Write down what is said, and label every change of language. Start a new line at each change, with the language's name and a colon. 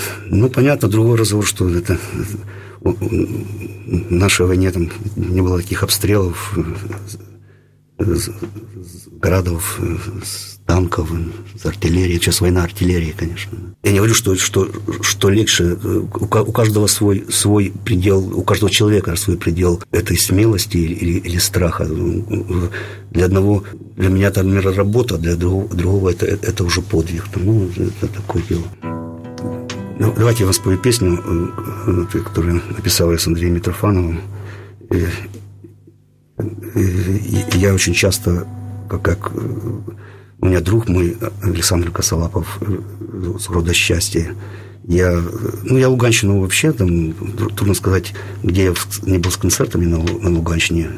Russian: Ну, понятно, другой разговор, что это в нашей войне там не было таких обстрелов.
Ukrainian: з градов, з танков, з артилерії, час війни артилерії, звісно. Я не говорю, що легше. У кожного свій предел, у кожного чоловіка свій предел цієї смілості або страху. Для одного, для мене там не робота, для другого це вже подвиг. Тому це таке діло. Ну, давайте я вам спою пісню, яку написав я з Андрієм Митрофановим.
Russian: Я очень часто, как у меня друг мой, Александр Косолапов, с рода «Счастье», я Луганщину вообще, там, трудно сказать, где я не был с концертами на Луганщине.